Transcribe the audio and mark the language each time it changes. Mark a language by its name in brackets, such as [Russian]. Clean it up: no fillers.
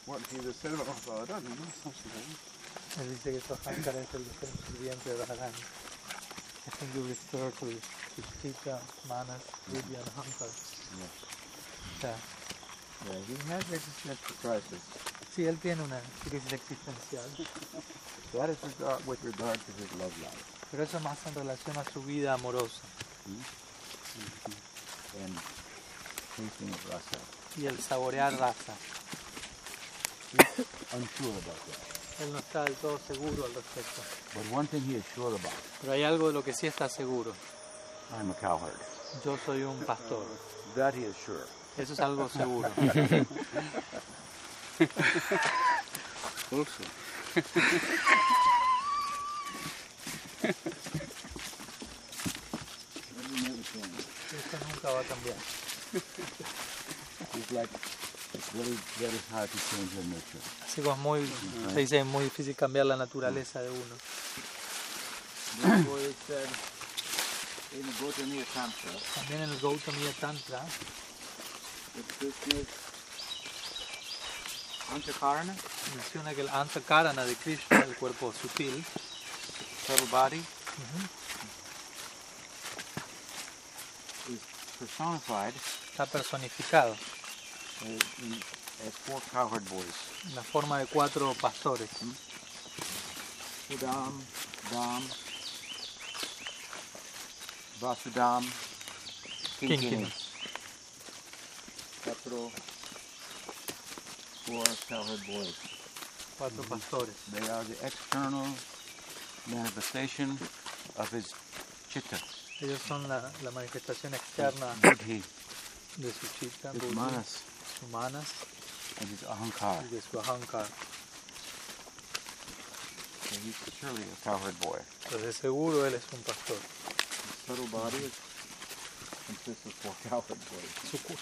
[Spanish] Él dice que su ahankar es el sirviente de Bhagavan. [English] I think you refer to Krishna, Manas, Vidya, and Ahankar. Yeah. Yeah, he has existential crisis. [Spanish] Sí, él tiene una crisis existencial. [English] That is with regard to his love life. [Spanish] Pero eso más en relación a su vida amorosa. [English] And tasting of rasa. [Spanish] Y el saborear rasa. [English] He's unsure about that. [Spanish] Él no está del todo seguro al respecto. [English] But one thing he is sure about. [Spanish] Pero hay algo de lo que sí está seguro. [English] I'm a cowherd. [Spanish] Yo soy un pastor. [English] That he is sure. [Spanish] Eso es algo seguro. [English] Also. [Spanish] Esto nunca va a cambiar. [English] He's like, very, very hard to change the nature. [Spanish] Así como es muy, se dice, muy difícil cambiar la naturaleza de uno. También en el Gautamiya Tantra. [English] Antakarana. [Spanish] Menciona que el Antakarana de Krishna, el cuerpo sutil, [English] subtle body, personified. [Spanish] Está personificado. [English] As four cowherd boys. [Spanish] En la forma de cuatro pastores. [English] Sudam, Dam, Vasudam, Kinkini. Four cowherd boys. [Spanish] Cuatro pastores. [English] They are the external manifestation of his chitta. [Spanish] Ellos son la manifestación externa de su chitta. Sus manas. Humanas. [English] And his ahankar. His ahankar. So he's surely a cowherd boy. [Spanish] Entonces seguro él es un pastor. [English] His subtle body consists of four cowherd boys.